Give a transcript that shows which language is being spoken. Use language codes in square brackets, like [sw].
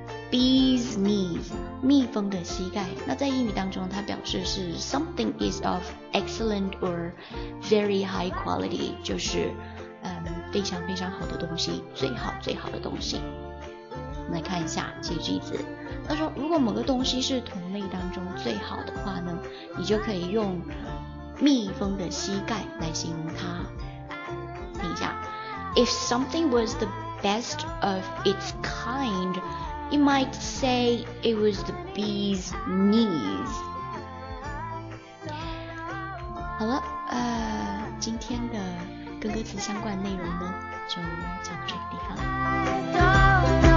[zh] bee's knees， 蜜蜂的膝盖。那在英语当中，它表示是 [en] something is of excellent or very high quality， [zh] 就是非常非常好的东西，最好最好的东西。我们来看一下这句子，他说如果某个东西是同类当中最好的话呢，你就可以用蜜蜂的膝盖来形容它。听一下， [en] If something was the best of its kind, you might say it was the bee's knees. [zh] 好了，今天的跟歌词相关内容呢就讲到这个地方了。